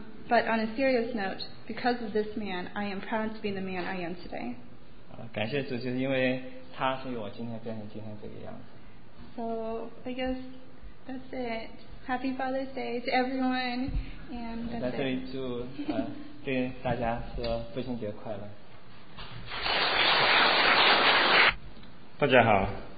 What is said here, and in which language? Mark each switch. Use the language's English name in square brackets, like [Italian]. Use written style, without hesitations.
[English] But on a serious note, because of this man, I am proud to be the man I am today. [Chinese] 感谢主，就是因为他，所以我今天变成今天这个样子。So [English] I guess that's it. Happy Father's Day to everyone, and that's it. [Chinese] 在这里祝对大家说父亲节快乐。大家好。